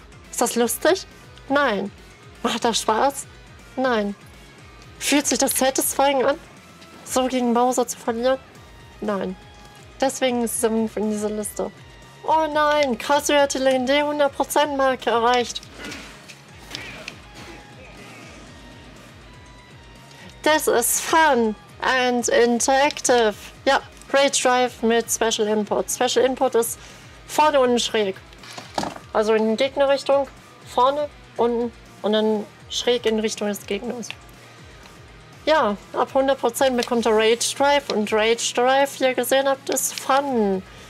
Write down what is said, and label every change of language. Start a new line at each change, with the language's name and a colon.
German: Ist das lustig? Nein. Macht das Spaß? Nein. Fühlt sich das satisfying an? So gegen Bowser zu verlieren? Nein. Deswegen ist er in dieser Liste. Oh nein! Kazuya hat die legendäre 100% Marke erreicht.
English: This is fun and interactive.
German: Ja, Rage Drive mit Special Input. Special Input ist vorne unten schräg. Also in Gegnerrichtung, vorne, unten und dann schräg in Richtung des Gegners. Ja, ab 100% bekommt er Rage Drive und Rage Drive, wie ihr gesehen habt, ist fun.